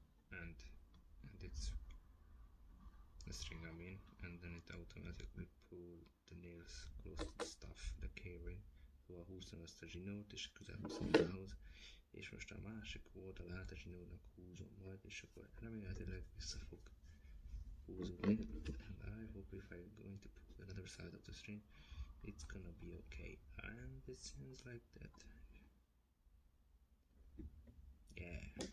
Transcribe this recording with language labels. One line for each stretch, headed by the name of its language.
English: And it's the string I mean. And then it automatically pull the nails close to the stuff, the K-ring.
Hungarian: Szóval húztam ezt a zsinót, és közel húztam ahhoz, és most a másik oldalát a zsinónak húzom majd, és akkor remélhetőleg vissza fog húzni.
English: And I hope if I'm going to pull another side of the string, it's gonna be okay. And it seems like that. Yeah.